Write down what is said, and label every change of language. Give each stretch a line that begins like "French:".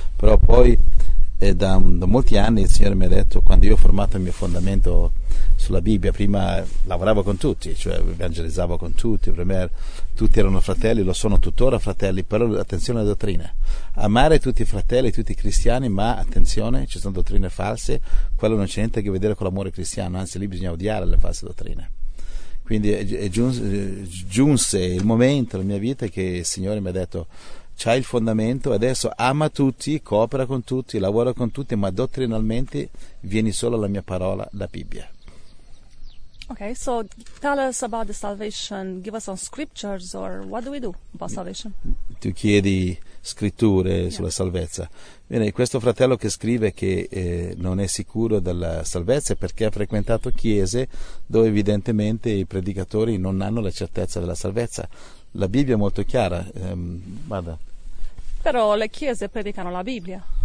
Italian: Però poi da molti anni il Signore mi ha detto, quando io ho formato il mio fondamento sulla Bibbia, prima lavoravo con tutti, cioè evangelizzavo con tutti, tutti erano fratelli, lo sono tuttora fratelli, però attenzione alla dottrina, amare tutti i fratelli, tutti i cristiani, ma attenzione, ci sono dottrine false, quello non c'è niente a che vedere con l'amore cristiano, anzi lì bisogna odiare le false dottrine. Quindi giunse il momento nella mia vita che il Signore mi ha detto, c'hai il fondamento, adesso ama tutti, coopera con tutti, lavora con tutti, ma dottrinalmente vieni solo alla mia parola, la Bibbia.
English: Okay, so tell us about the salvation. Give us some scriptures, or what do we do about salvation?
Italian: Tu chiedi scritture, yeah, sulla salvezza. Bene, questo fratello che scrive che non è sicuro della salvezza perché ha frequentato chiese dove evidentemente i predicatori non hanno la certezza della salvezza. La Bibbia è molto chiara. Vada. Però le chiese predicano la Bibbia.